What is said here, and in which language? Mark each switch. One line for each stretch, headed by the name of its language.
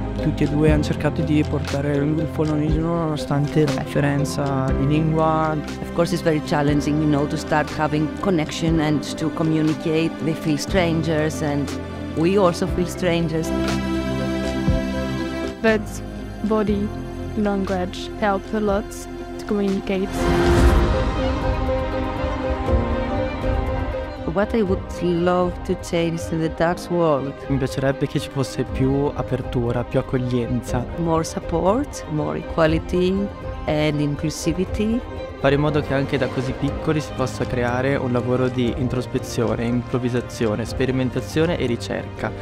Italian: Tutti e due hanno cercato di portare il polonismo nonostante la differenza di lingua.
English: Of course, it's very challenging, you know, to start having connection and to communicate. They feel strangers and we also feel strangers. But body language helps a lot to communicate. What I would love to change in the dance world.
Italian: Mi piacerebbe che ci fosse più apertura, più accoglienza.
English: More support, more equality and inclusivity.
Italian: Fare in modo che anche da così piccoli si possa creare un lavoro di introspezione, improvvisazione, sperimentazione e ricerca.